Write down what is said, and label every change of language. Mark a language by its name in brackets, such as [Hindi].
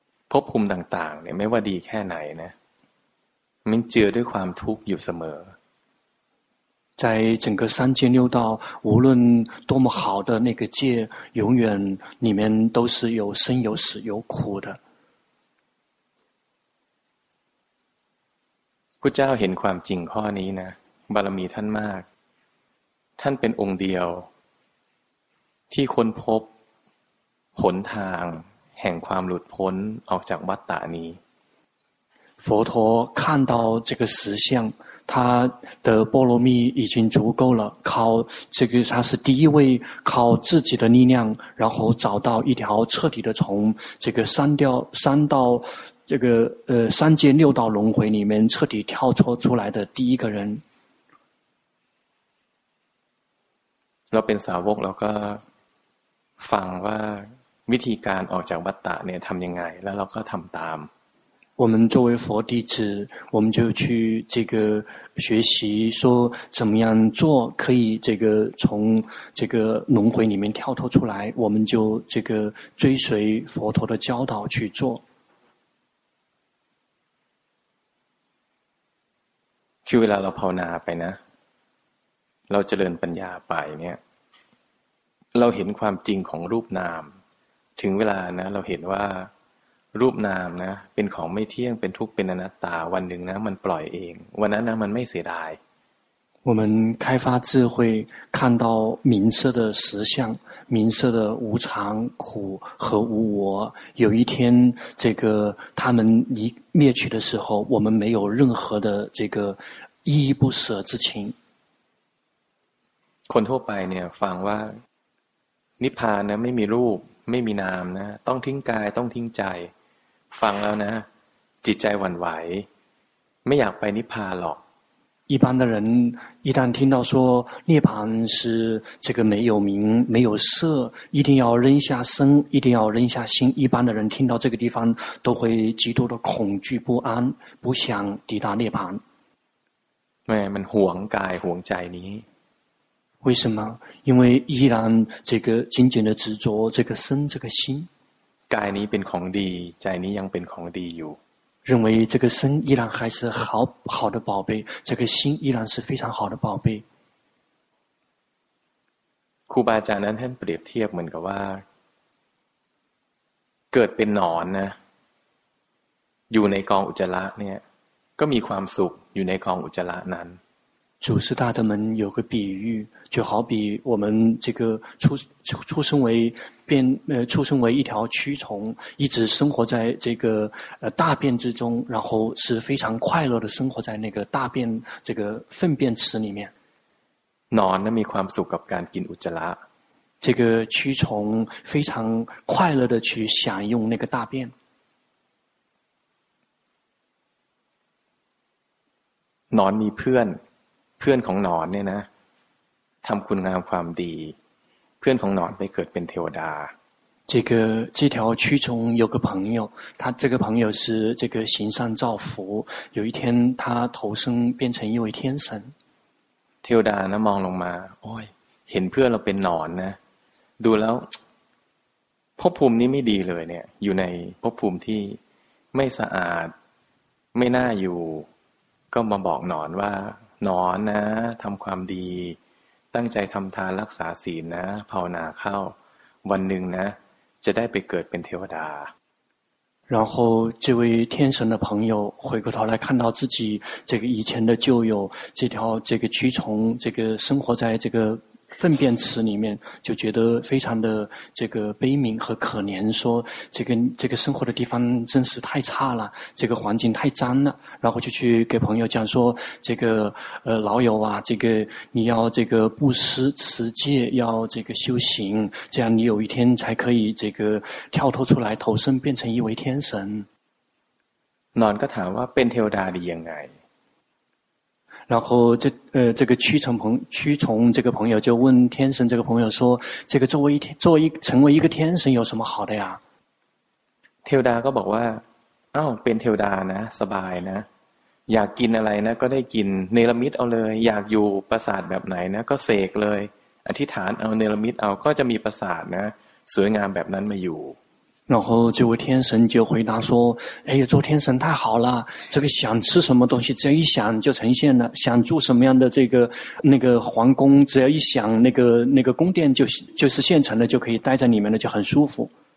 [Thai] ภพภูมิต่างๆเนี่ยไม่ว่าดีแค่ไหนนะมันเจือด้วยความทุกข์อยู่เสมอ [Chinese] 在整个三界六道无论多么好的那个界永远里面都是有生有死有苦的 [Thai] พระเจ้าเห็นความจริงข้อนี้นะบารมีท่านมากท่านเป็นองค์เดียวที่ค้นพบหนทางแห่งความหลุดพ้นออกจากวัฏฏะนี้ [Chinese] 佛陀看到这个实相他的波罗蜜已经足够了靠这个他是第一位靠自己的力量然后找到一条彻底的从这个三界六道轮回里面彻底跳脱出来的第一个人 [Thai] เราเป็นสาวกเราก็ฟังว่าวิธีการออกจากวัฏฏะเนี่ยทำยังไงแล้วเราก็ทำตาม [Chinese] 我们作为佛弟子我们就去这个学习说怎么样做可以这个从这个轮回里面跳脱出来我们就这个追随佛陀的教导去做。 [Thai] คือเวลาเราภาวนาไปนะเราเจริญปัญญาไปเนี่ยเราเห็นความจริงของรูปนามถึงเวลานะเราเห็นว่ารูปนามนะเป็นของไม่เที่ยงเป็นทุกข์เป็นอนัตตาวันหนึ่งนะมันปล่อยเองวันนั้นนะมันไม่เสียดาย [Chinese] 我们开发智慧看到名色的实相名色的无常苦和无我有一天这个他们灭去的时候我们没有任何的这个依依不舍之情 [Thai] คนทั่วไปเนี่ยฟังว่านิพพานนะไม่มีรูปไม่มีนามนะต้องทิ้งกายต้องทิ้งใจฟังแล้วนะจิตใจหวั่นไหวไม่อยากไปนิพพานหรอก [Chinese] 一般的人一旦听到说涅槃是这个没有名没有色一定要扔下身一定要扔下心一般的人听到这个地方都会极度的恐惧不安不想抵达涅槃 [Thai] แม่มันห่วงกายห่วงใจนี้ [Chinese] 为什么因为依然这个紧紧的执着这个身这个心 [Thai] กายนี้เป็นของดีใจนี้ยังเป็นของดีอยู่ [Chinese] 认为这个身依然还是好好的宝贝这个心依然是非常好的宝贝 [Thai] ครูบาอาจารย์นั้นท่านเปรียบเทียบเหมือนกับว่าเกิดเป็นหนอนนะอยู่ในกองอุจจาระเนี่ยก็มีความสุขอยู่ในกองอุจจาระนั้น [Chinese] 祖师大德们有个比喻就好比我们这个出生为一条蛆虫一直生活在这个大便之中然后是非常快乐的生活在那个大便这个粪便池里面。 [Thai] นอนมีความสุขกับการกินอุจจาระ [Chinese] 这个蛆虫非常快乐的去享用那个大便。 [Thai] นอนมีเพื่อนเพื่อนของนอนเนี่ยนะทำคุณงามความดีเพื่อนของนอนไปเกิดเป็นเทวดา [Chinese] 这个这条蛆虫有个朋友，他这个朋友是这个行善造福，有一天他投生变成一位天神。 [Thai] เทวดานะมองลงมาโอ้ยเห็นเพื่อนเราเป็นนอนนะดูแล้วภพภูมินี้ไม่ดีเลยเนี่ยอยู่ในภพภูมิที่ไม่สะอาดไม่น่าอยู่ก็มาบอกหนอนว่าหนอนนะทำความดีตั้งใจทำทานรักษาศีลนะภาวนาเข้าวันหนึ่งนะจะได้ไปเกิดเป็นเทวดา [Chinese] 然后这位天神的朋友回过头来看到自己这个以前的旧友这条这个蛆虫这个生活在这个粪便池里面就觉得非常的这个悲悯和可怜说这个生活的地方真是太差了这个环境太脏了然后就去给朋友讲说这个老友啊这个你要这个布施持戒要这个修行这样你有一天才可以这个跳脱出来投身变成一位天神 [Thai] นอนก็ถามว่าเป็นเทวดาได้ยังไง [Chinese] 然后这这个蛆虫这个朋友就问天神这个朋友说这个成为一个天神有什么好的呀 [Thai] เทวดาก็บอกว่าอ้าวเป็นเทวดานะสบายนะอยากกินอะไรนะก็ได้กินเนรมิตเอาเลยอยากอยู่ปราสาทแบบไหนนะก็เสกเลยอธิษฐานเอาเนรมิตเอาก็จะมีปราสาทนะสวยงามแบบนั้นมาอยู่ [Chinese] 然后这位天神就回答说哎呀做天神太好了这个想吃什么东西只要一想就呈现了想住什么样的这个那个皇宫只要一想那个宫殿就是现成的就可以待在里面了就很舒服。